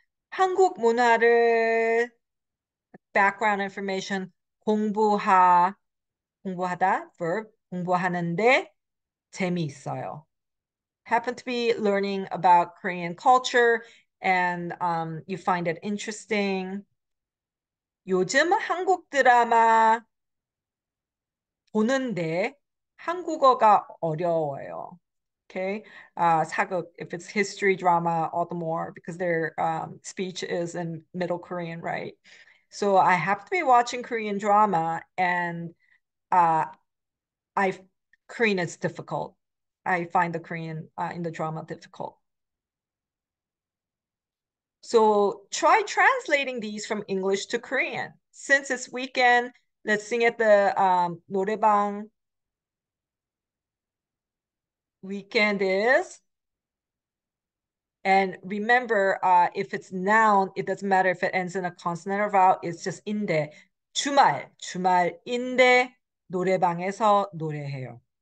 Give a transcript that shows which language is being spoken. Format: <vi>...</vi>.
<ko>한국 문화를</ko> <en>background information</en> <ko>공부하다 verb 공부하는데 재미있어요.</ko> <en>Happen to be learning about Korean culture and you find it interesting.</en> <ko>요즘 한국 드라마 보는데 한국어가 어려워요.</ko> <en>Okay, saguk, if it's history drama, all the more because their speech is in Middle Korean, right? So I have to be watching Korean drama and Korean is difficult. I find the Korean in the drama difficult. So try translating these from English to Korean. Since it's weekend, let's sing at the 노래방. Weekend is. And remember, if it's noun, it doesn't matter if it ends in a consonant or vowel. It's just 인데. 주말.</en> <ko>주말인데 노래방에서 노래해요.</ko>